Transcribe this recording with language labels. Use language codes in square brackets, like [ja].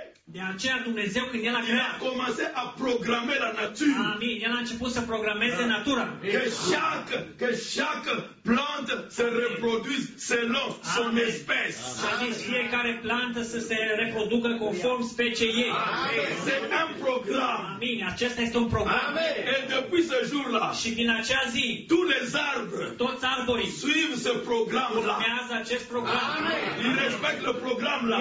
[ro] De aceea Dumnezeu când El a [fr] creat, a commencé à programmer la nature. [ro] Amin. El a început să programeze natura. [fr] Que chaque plante se reproduise selon son espèce. [ro] Amin. Fiecare plantă să se reproducă conform speciei ei. [fr] C'est un programme. [ro] Amin. Acesta este un program. [fr] Amin. Et depuis ce jour-là, [ro] și din acea zi, [fr] tous les arbres, [ro] toți arborii, [fr] suivent ce programme-là. [ro] Urmează acest program. [fr] Ils respectent le programme-là.